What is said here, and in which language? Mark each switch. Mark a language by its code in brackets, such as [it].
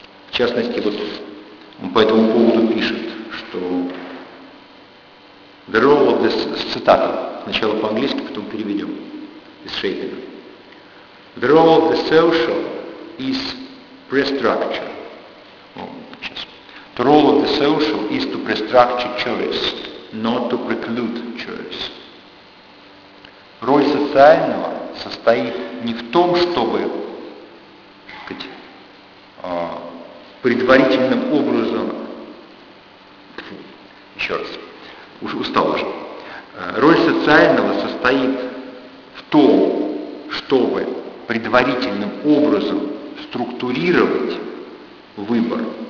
[ru] В частности, вот он по этому поводу пишет, что [en] the role of this, [ru] с цитатой, сначала по-английски, потом переведем из Шейпина. [en] The role of the social is pre-structure. The role of the social is to pre-structure choice, not to preclude choice. [ru] Роль социального состоит не в том, чтобы предварительным образом, еще раз, уж устал уже, роль социального состоит в том, чтобы предварительным образом структурировать выбор,